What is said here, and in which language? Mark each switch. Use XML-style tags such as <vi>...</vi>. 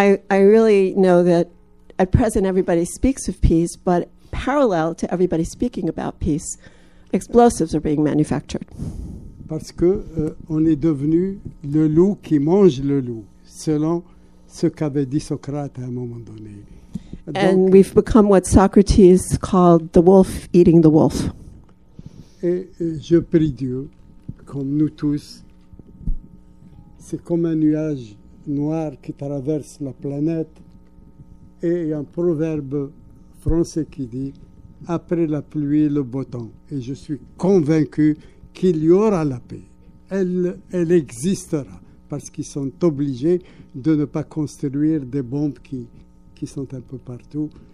<en>I really know that at present everybody speaks of peace, but parallel to everybody speaking about peace, explosives are being manufactured.</en> <fr>Parce que on est devenu le loup qui mange le loup, selon ce qu'avait dit Socrate à un moment donné.</fr> <en>And donc, we've become what Socrates called the wolf eating the wolf.</en> <fr>Et je prie Dieu, comme nous tous, c'est comme un nuage noir qui traverse la planète et il y a un proverbe français qui dit « Après la pluie, le beau temps ». Et je suis convaincu qu'il y aura la paix. Elle existera parce qu'ils sont obligés de ne pas construire des bombes qui sont un peu partout.</fr>